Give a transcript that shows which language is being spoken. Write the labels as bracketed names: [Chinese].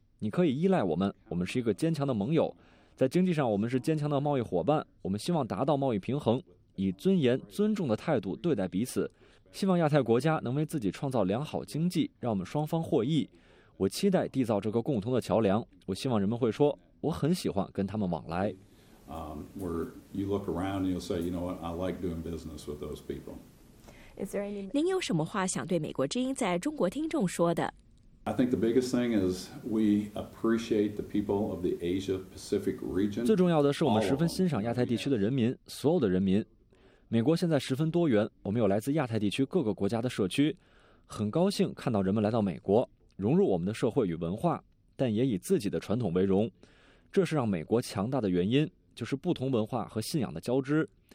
[Chinese] 你可以依赖我们，我们是一个坚强的盟友，在经济上我们是坚强的贸易伙伴。我们希望达到贸易平衡，以尊严尊重的态度对待彼此。希望亚太国家能为自己创造良好经济，让我们双方获益。我期待缔造这个共同的桥梁。我希望人们会说，我很喜欢跟他们往来。 [English] Where you look around and you'll say, you know what, I like doing business with those people. [Chinese] 您有什么话想对美国之音在中国听众说的？ [English] I think the biggest thing is we appreciate the people of the Asia-Pacific region. [Chinese] 最重要的是我们十分欣赏亚太地区的人民，所有的人民。美国现在十分多元，我们有来自亚太地区各个国家的社区，很高兴看到人们来到美国，融入我们的社会与文化，但也以自己的传统为荣。这是让美国强大的原因，就是不同文化和信仰的交织。